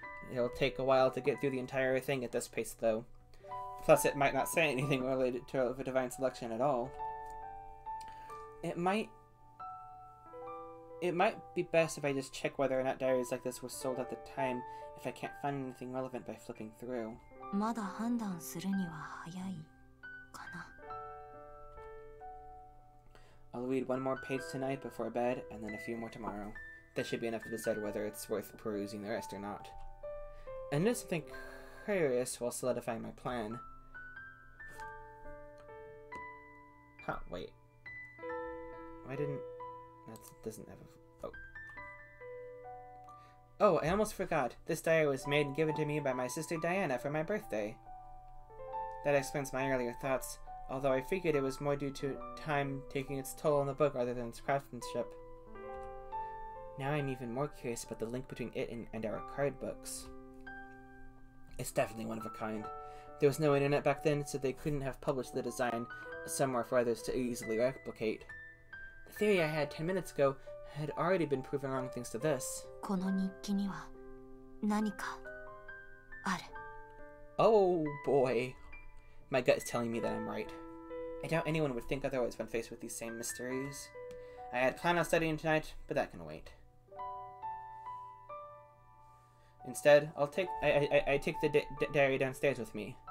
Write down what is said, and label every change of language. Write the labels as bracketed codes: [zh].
[en] It'll take a while to get through the entire thing at this pace, though. Plus, it might not say anything related to a divine selection at all. It might It might be best if I just check whether or not diaries like this were sold at the time, if I can't find anything relevant by flipping through. [ja] まだ判断するには早いかな。 [en] I'll read one more page tonight before bed, and then a few more tomorrow. That should be enough to decide whether it's worth perusing the rest or not. And do something curious while solidifying my plan. Huh, wait. Why didn't... That doesn't have a... Oh, I almost forgot. This diary was made and given to me by my sister Diana for my birthday. That explains my earlier thoughts. Although I figured it was more due to time taking its toll on the book rather than its craftsmanship. Now I'm even more curious about the link between it and our card books. It's definitely one of a kind. There was no internet back then, so they couldn't have published the design somewhere for others to easily replicate. The theory I had 10 minutes ago had already been proven wrong thanks to this. [ja] この日記には何かある。 [en] Oh boy. My gut is telling me that I'm right. I doubt anyone would think otherwise when faced with these same mysteries. I had planned on studying tonight, but that can wait. Instead, I take the diary downstairs with me.